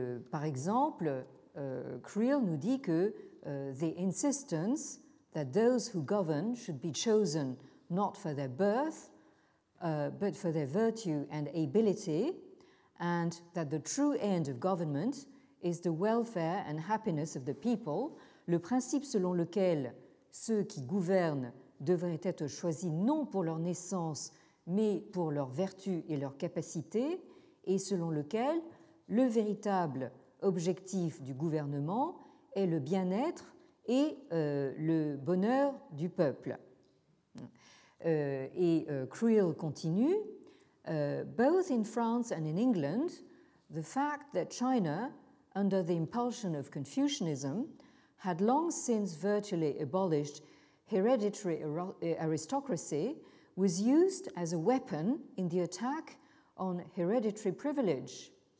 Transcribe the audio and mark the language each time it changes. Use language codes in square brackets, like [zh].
[fr] Par exemple, Creel nous dit que [en] the insistence that those who govern should be chosen not for their birth but for their virtue and ability, and that the true end of government is the welfare and happiness of the people. [fr] Le principe selon lequel ceux qui gouvernent devraient être choisis non pour leur naissance mais pour leur vertu et leur capacité, et selon lequel le véritable objectif du gouvernement est le bien-être et le bonheur du peuple. Et Creel continue, [en] both in France and in England, the fact that China, under the impulsion of Confucianism, had long since virtually abolished hereditary aristocracy was used as a weapon in the attack on hereditary privilege.